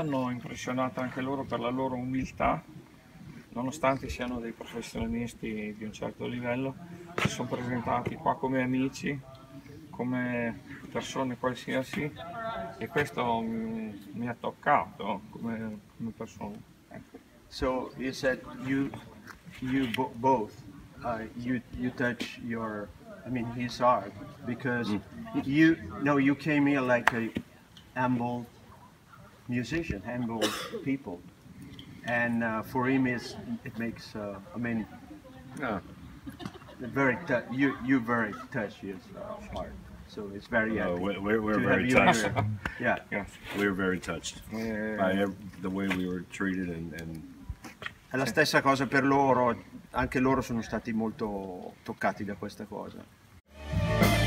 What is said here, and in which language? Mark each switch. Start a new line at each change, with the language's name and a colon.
Italian: Impressionato anche loro per la loro umiltà, nonostante siano dei professionisti di un certo livello, si sono presentati qua come amici, come persone qualsiasi, e questo mi ha toccato come persona.
English: So you said you both touch your, his heart, because you came here like a humble musician, humble people, and for him you're very touchy as heart, so it's very happy. We're very touched. Yeah, we're very touched by the way we were treated, and
Italian: è la stessa cosa per loro, anche loro sono stati molto toccati da questa cosa.